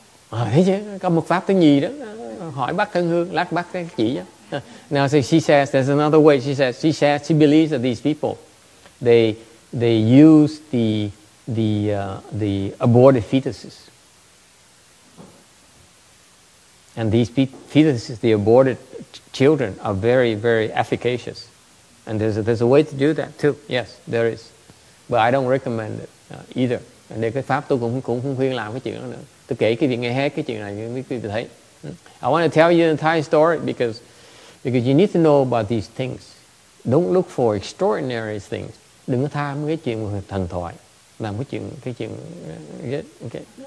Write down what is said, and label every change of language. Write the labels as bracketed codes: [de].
[vi] Thế chứ, có một pháp thứ nhì đó. Hỏi bác Thân Hương, lát bác chỉ cho. [en] Now so she says, there's another way. She says, she believes that these people, they use the aborted fetuses. And these fetuses, the aborted children, are very, very efficacious. And there's a way to do that too. Yes, there is. But I don't recommend it either. [vi] Để cái pháp tôi cũng không khuyên làm cái chuyện đó nữa. Tôi kể cái việc nghe hết cái chuyện này mới quý vị thấy. [en] I want to tell you an entire story because you need to know about these things. Don't look for extraordinary things. [vi] Đừng có tham cái chuyện thần thoại. Làm cái chuyện okay.